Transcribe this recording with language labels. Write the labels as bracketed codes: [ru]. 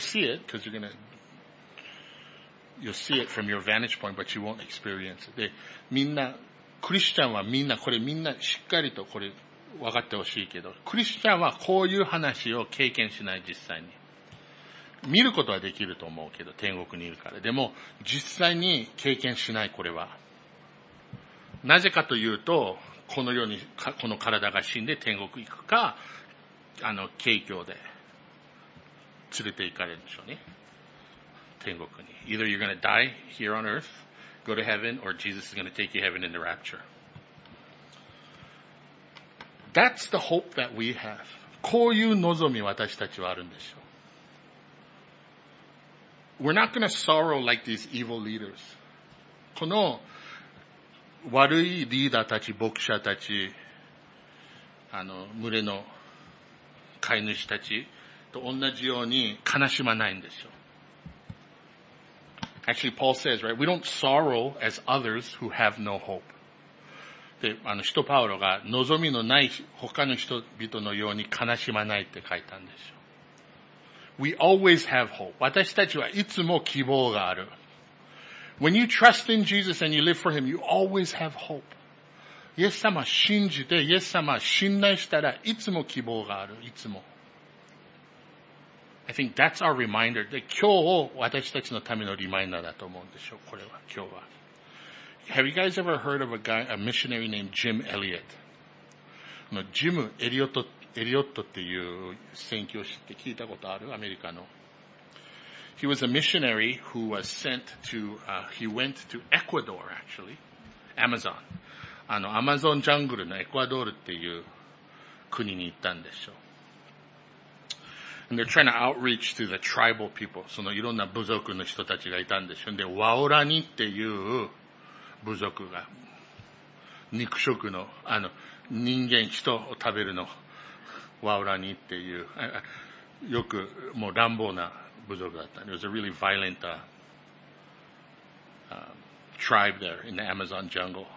[en] You'll see it because you'll see it from your vantage point, but you won't experience it. [ja] で、みんな、クリスチャンはみんな、これみんなしっかりとこれ分かってほしいけど、クリスチャンはこういう話を経験しない実際に。見ることはできると思うけど、天国にいるから。でも、実際に経験しない、これは。なぜかというと、このように、この体が死んで天国行くか、景況で、連れて行かれるんでしょうね。天国に。 [en] Either you're gonna die here on earth, go to heaven, or Jesus is gonna take you heaven in the rapture. That's the hope that we have. [ja] こういう望み私たちはあるんでしょう。 [en] We're not going to sorrow like these evil leaders. [ja] この悪いリーダーたち、牧者たち、群れの飼い主たちと同じように悲しまないんでしょう。 [en] Actually, Paul says, right, we don't sorrow as others who have no hope. [ja] で、使徒パウロが望みのない他の人々のように悲しまないって書いたんでしょう。 [en] We always have hope. [ja] 私たちはいつも希望がある。 [en] When you trust in Jesus and you live for Him, you always have hope. [ja] イエス様信じて、イエス様信頼したらいつも希望がある。いつも。 [en] I think that's our reminder. [ja] で、今日を私たちのためのリマインダーだと思うんでしょう。これは、今日は。 [en] Have you guys ever heard of a missionary named Jim Elliot? [ja] ジム・エリオットってエリオットっていう宣教師って聞いたことある？アメリカの。 [en] He was a missionary who was sent to, he went to Ecuador actually. Amazon. [ja] アマゾンジャングルのエクアドルっていう国に行ったんでしょう。 [en] And they're trying to outreach to the tribal people. [ja] そのいろんな部族の人たちがいたんでしょう。で、ワオラニっていう部族が、肉食の、人間、人を食べるの。ワオラニっていう、よくもう乱暴な部族だった。 [en] It was a really violent, tribe there in the Amazon jungle.